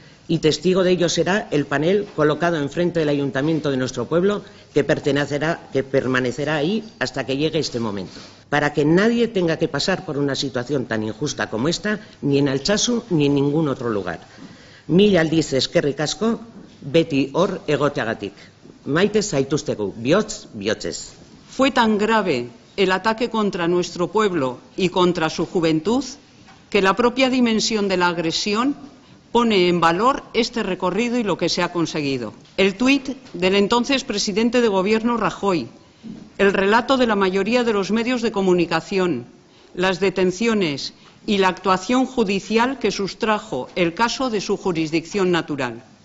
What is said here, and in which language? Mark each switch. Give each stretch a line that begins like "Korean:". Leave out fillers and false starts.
Spanish: Y testigo de ello será el panel colocado enfrente del ayuntamiento de nuestro pueblo que permanecerá ahí hasta que llegue este momento. Para que nadie tenga que pasar por una situación tan injusta como esta, ni en Altsasu ni en ningún otro lugar.
Basque: Mila aldiz eskerrik asko, beti hor egoteagatik. Maite zaituztegu, bihotz bihotzez.
Spanish: Fue tan grave el ataque contra nuestro pueblo y contra su juventud que la propia dimensión de la agresión pone en valor este recorrido y lo que se ha conseguido. El tuit del entonces presidente de Gobierno Rajoy, el relato de la mayoría de los medios de comunicación, las detenciones y la actuación judicial que sustrajo el caso de su jurisdicción natural.